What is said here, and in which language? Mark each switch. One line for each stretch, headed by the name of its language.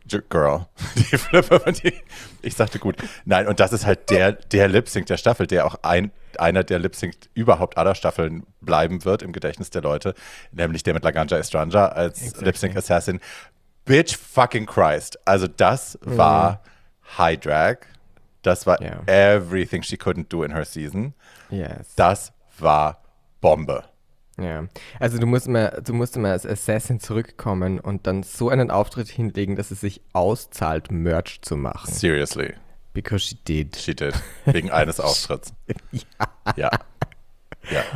English: Girl.
German: Die Flipper von TKB. Ich sagte gut. Nein, und das ist halt der Lip-Sync der Staffel, der auch einer der Lip-Sync überhaupt aller Staffeln bleiben wird im Gedächtnis der Leute, nämlich der mit Laganja Estranja als Lip-Sync-Assassin.
English: Bitch fucking Christ.
German: Also das war High Drag. Das war
English: everything she couldn't do in her season. Yes.
German: Das war Bombe. Ja, also du musst mal als Assassin zurückkommen und dann so einen Auftritt hinlegen, dass es sich auszahlt, Merch zu machen.
English: Seriously. Because she did. She did.
German: Wegen eines Auftritts. Ja. Ja.